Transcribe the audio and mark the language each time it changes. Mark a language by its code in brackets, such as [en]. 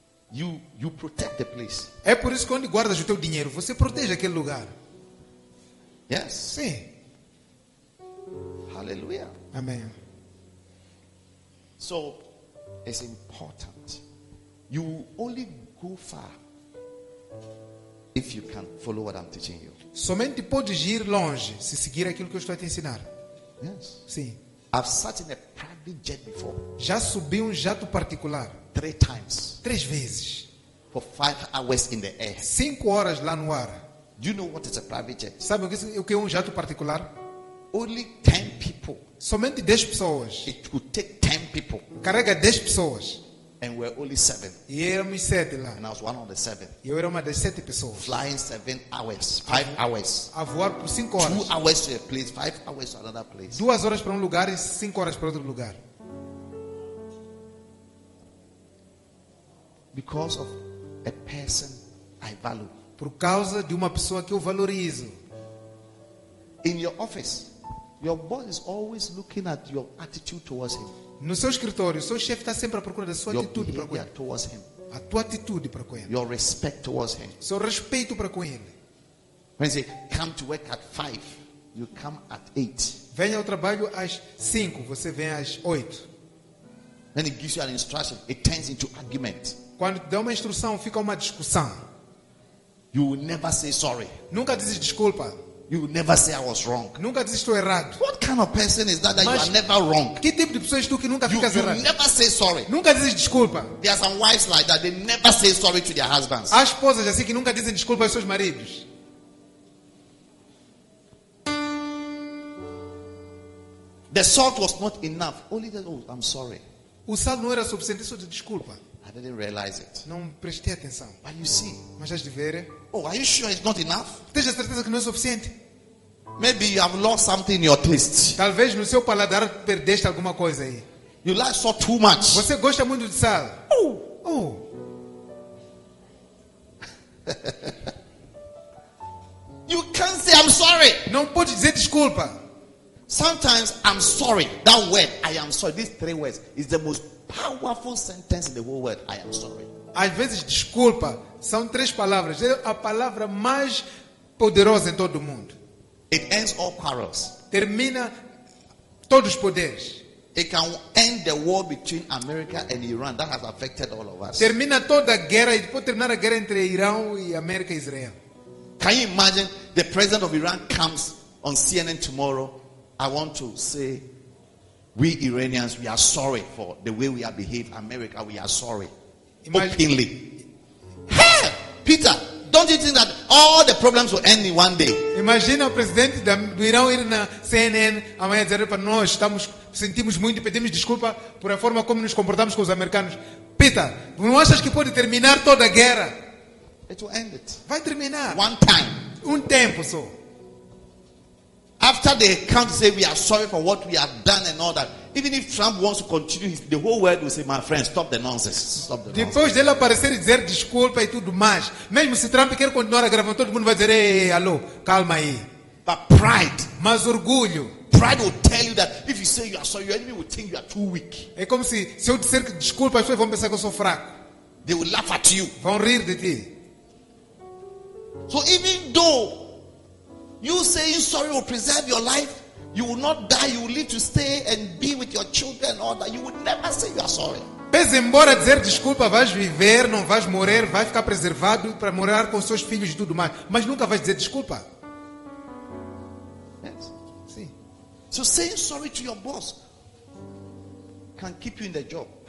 [en] You protect the place. [pt] É por isso que onde guardas o teu dinheiro, você protege aquele lugar. [en] Yes. [pt] Sim. [en] Hallelujah. [pt] Amém. [en] So, it's important. You only go far if you can follow what I'm teaching you. [pt] Somente podes ir longe se seguir aquilo que eu estou a te ensinar. [en] Yes. [pt] Sim. [en] I've sat in a private jet before. [pt] Já subi jato particular. [en] 3 times. [pt] 3 vezes. [en] For 5 hours in the air. [pt] 5 horas lá no ar. [en] Do you know what is a private jet? [pt] Sabe o que é jato particular? [en] Only 10 people. [pt] Somente 10 pessoas. [en] It could take 10 people. [pt] Carrega 10 pessoas. [en] And we're only 7. [pt] E éramos 7 lá. [en] And I was one of the 7. [pt] E eu era uma das 7 pessoas. [en] Flying 7 hours, 5 hours. [pt] A voar por 5 horas. [en] 2 hours to a place, 5 hours to another place. [pt] 2 horas para lugar e 5 horas para outro lugar. [en] Because of a person I value. [pt] Por causa de uma pessoa que eu valorizo. [en] In your office, your boss is always looking at your attitude towards him. [pt] No seu escritório, seu chefe está sempre à procura da sua [en] your [pt] atitude para com ele. [en] Towards him. [pt] A tua atitude para com ele. [en] Your respect towards him. [pt] Seu respeito para com ele. [en] When he come to work at 5, you come at 8. [pt] Vem ao trabalho às 5, você vem às 8. [en] When he gives you an instruction, it turns into argument. [pt] Quando dá uma instrução, fica uma discussão. [en] You will never say sorry. [pt] Nunca diz desculpa. [en] You will never say I was wrong. [pt] Nunca dizes que estou errado. [en] What kind of person is that you are never wrong? [pt] Que tipo de pessoa és tu que nunca ficas errado? [en] You never say sorry. [pt] Nunca dizes desculpa. [en] There are some wives like that, they never say sorry to their husbands. [pt] Há esposas assim que nunca dizem desculpa aos seus maridos. [en] The salt was not enough. Only that, oh, I'm sorry. [pt] O sal não era suficiente, só de desculpa. [en] I didn't realize it. [pt] Não prestei atenção. [en] But you see, [pt] mas já de ver. [en] Oh, are you sure it's not enough? [pt] Tens certeza que não é suficiente? [en] Maybe you have lost something in your taste. [pt] Talvez no seu paladar perdeste alguma coisa aí. [en] You like salt too much. [pt] Você gosta muito de sal. Oh, oh. [en] You can't say I'm sorry. [pt] Não pode dizer desculpa. [en] Sometimes I'm sorry. That word, I am sorry. These 3 words is the most powerful sentence in the whole world. I am sorry. [pt] Às vezes desculpa são 3 palavras. É a palavra mais poderosa em todo o mundo. [en] It ends all quarrels. [pt] Termina todos os poderes. [en] It can end the war between America and Iran that has affected all of us. [pt] Termina toda a guerra e pode terminar a guerra entre Irã e América e Israel. [en] Can you imagine the president of Iran comes on CNN tomorrow? I want to say, we Iranians, we are sorry for the way we have behaved. America, we are sorry. Imagine. Openly. Hey, Peter, don't you think that all the problems will end in one day? [pt] Imagine o presidente do Irã ir na CNN amanhã dizer para nós, estamos, sentimos muito e pedimos desculpa por a forma como nos comportamos com os americanos. Peter, não achas que pode terminar toda a guerra? [en] It will end it. [pt] Vai terminar. [en] One time. [pt] Um tempo só. [en] After they come to say we are sorry for what we have done and all that, even if Trump wants to continue, the whole world will say, "My friend, stop the nonsense. Stop the nonsense." [pt] Depois dele aparecer e dizer desculpa e tudo mais, mesmo se Trump quer continuar a gravar, todo mundo vai dizer, "Ei, alô, calma aí." [en] But pride, [pt] mas orgulho. [en] Pride will tell you that if you say you are sorry, your enemy will think you are too weak. [pt] É como se eu disser desculpa, as pessoas vão pensar que eu sou fraco. [en] They will laugh at you. [pt] Vão rir de ti. [en] So even though you saying sorry will preserve your life, you will not die. You will live to stay and be with your children and all that. You will never say you are sorry. [pt] Mas embora dizer desculpa, vais viver, não vais morrer, vai ficar preservado para morar com seus filhos e tudo mais. Mas nunca vais dizer desculpa. [en] Yes. [pt] Sim. [en] So saying sorry to your boss can keep you in the job.